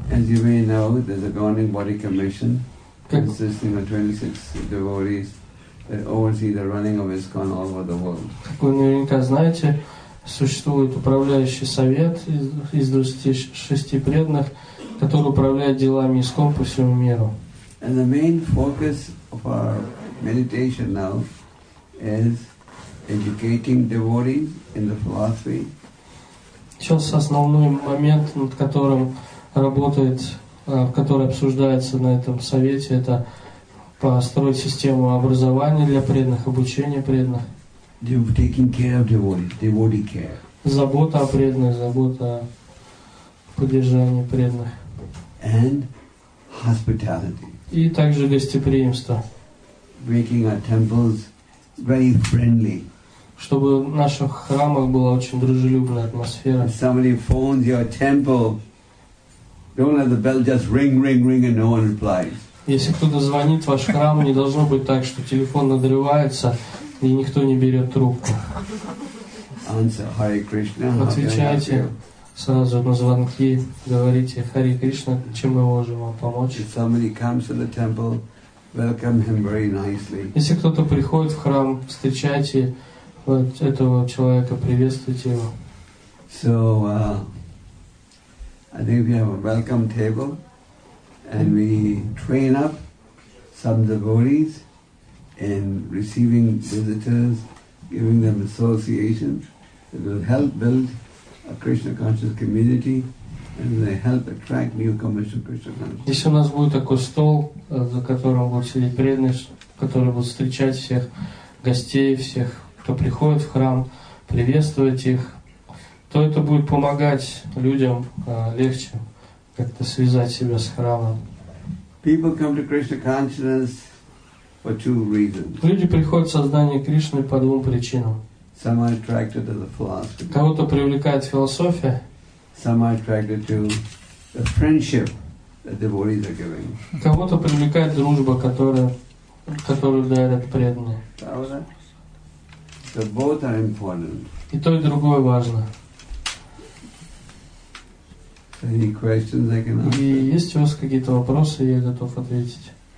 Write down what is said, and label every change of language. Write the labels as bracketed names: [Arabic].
[English] As you may know, there's a Governing Body Commission consisting of 26 devotees that oversee the running of ISKCON all over the world. [Russian] Как вы наверняка знаете, существует управляющий совет из 26 преданных, который управляет делами ИСККОН по всему миру. [English] And the main focus of our meditation now is educating devotees in the philosophy. [Russian] Сейчас основной момент, над которым работает, который обсуждается на этом совете, это построить систему образования для преданных, обучения преданных. [English] Taking care of devotees, devotee care. [Russian] Забота о преданных, забота о поддержании преданных. [English] And hospitality. [Russian] И также гостеприимство. [English] Making our temples very friendly. [Russian] Чтобы в наших храмах была очень дружелюбная атмосфера. [English] If somebody phones your temple, don't let the bell just ring, ring, ring, and no one replies. [Russian] Если кто-то звонит в ваш храм, не должно быть так, что телефон надрывается и никто не берет трубку. [English] Answer, Hare Krishna. [Russian] Отвечайте. Сразу на звонки говорите, Хари Кришна, чем мы можем вам помочь? [English] If somebody comes to the temple, welcome him very nicely. [Russian] Если кто-то приходит в храм, встречайте вот этого человека, приветствуйте его. [English] So, I think we have a welcome table, and we train up some devotees in receiving visitors, giving them association, that will help build a Krishna conscious community, and they help attract newcomers to Krishna consciousness. [Russian] Если у нас будет такой стол, за которым будут сидеть преданные, которые будут встречать всех гостей, всех, кто приходит в храм, приветствовать их, то это будет помогать людям легче как-то связать себя с храмом. [English] People come to Krishna consciousness for two reasons. [Russian] Люди приходят в сознание Кришны по двум причинам. [English] Some are attracted to the philosophy. [Russian] Кого-то привлекает философия. [English] Some are attracted to the friendship that devotees are giving. [Russian] Кого-то привлекает дружба, которую дарят преданные. [English] How was that? So both are important. [Russian] И то, и другое важно. [English] Any questions I can answer? [Russian] И есть у вас какие-то вопросы, я готов ответить.